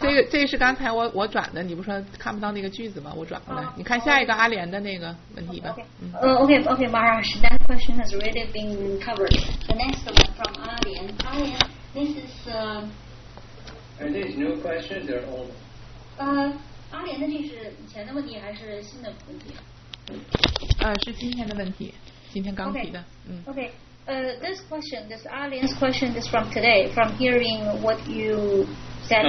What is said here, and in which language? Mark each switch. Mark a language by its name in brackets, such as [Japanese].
[Chinese] 这是刚才我转的，你不说看不到那个句子吗？我转过来，你看下一个阿莲的那个问题吧。 [English] Okay, Maharaj, that question has already been covered. The next one from 阿莲，阿莲 ，this is Are these new questions or old? [Chinese] 阿莲的这是以前的问题还是新的问题？是今天的问题，今天刚提的。 [English] This question, this Alien's question is from today, from hearing what you said.